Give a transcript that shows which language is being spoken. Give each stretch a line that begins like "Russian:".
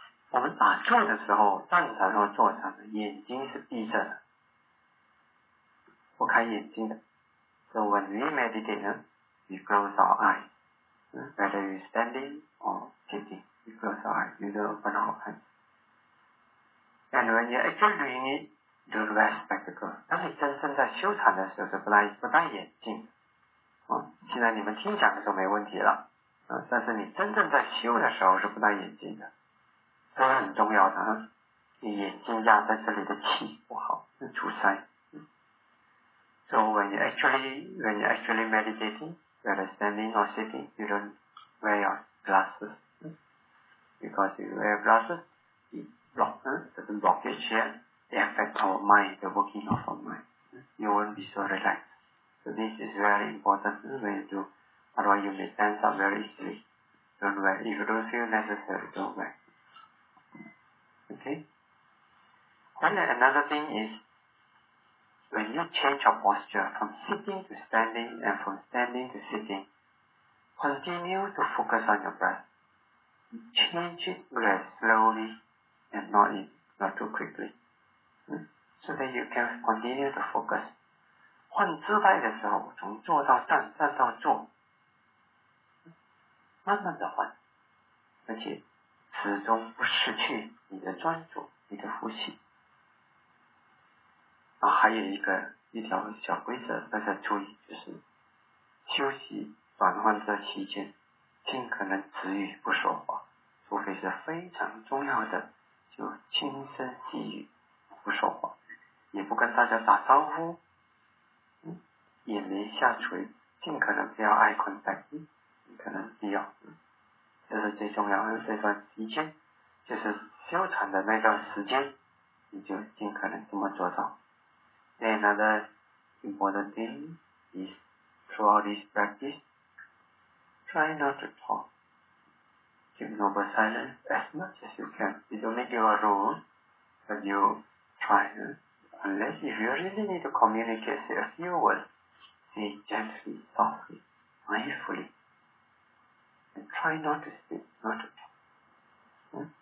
Chinese: 我们打坐的时候，站禅或坐禅的眼睛是闭着的，不开眼睛的。
English: So when we meditate, we close our eyes. Whether you're standing or sitting, we close our eyes, you don't open our eyes. And when you actually doing it, do the best spectacle.
Chinese: 当你真正在修禅的时候是不戴眼镜的。现在你们听讲的时候没问题了。但是你真正在修的时候是不戴眼镜的，这很重要的。你眼睛压在这里的气不好，是阻塞。
English: So when you actually meditating, whether standing or sitting, you don't wear your glasses. Because you wear glasses, it blocks certain blockage here. They affect our mind, the working of our mind. You won't be so relaxed. So this is very important when you do. Otherwise, you may tense up very easily. Don't wear. If you don't feel necessary, don't wear. Okay? And another thing is, when you change your posture from sitting to standing and from standing to sitting, continue to focus on your breath. Change it very slowly and not too quickly. So that you can continue to focus.
Chinese: 换姿态的时候，从坐到站，站到坐，慢慢的换，而且始终不失去你的专注，你的呼吸。还有一条小规则大家注意，就是休息转换这期间尽可能止语不说话，除非是非常重要的就轻声细语不说话。也不跟大家打招呼，也没下垂，尽可能不要
English: eye contact，
Chinese: 可能必要，这是最重要的。这段时间就是休产的那段时间，你就尽可能这么做到。
English: Another important thing is throughout this practice try not to talk, keep noble silence as much as you can. You don't make it a rule, but you try, unless if you really need to communicate, say a few words, say gently, softly, mindfully, and try not to speak, not to talk.